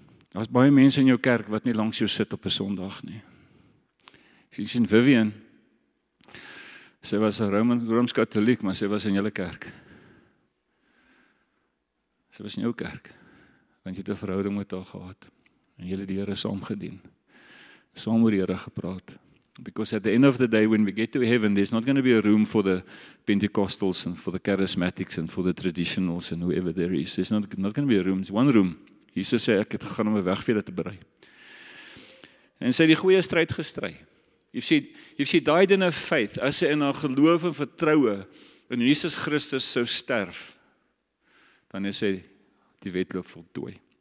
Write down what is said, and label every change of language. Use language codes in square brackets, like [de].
[af] Daar is baie mense in jou kerk wat nie langs jou sit op 'n Sondag nie. Sien, sien Vivian, sy was 'n Rooms-Katoliek, maar sy was in julle kerk. Sy was in jou kerk, want jy het 'n verhouding met haar gehad. En jy het die Here saam gedien. Saam oor die Here gepraat. [en] Because at the end of the day, when we get to heaven, there's not going to be a room for the Pentecostals and for the Charismatics and for the Traditionals and whoever there is. There's not going to be a room. It's one room. [af] Jesus sê, ek het gegaan om 'n wegvee te berei. En sy het die goeie stryd gestry. [en] You see, died in her faith, [af] as sy in haar geloof en vertroue in Jesus Christus sou sterf, dan is sy die wedloop voltooi.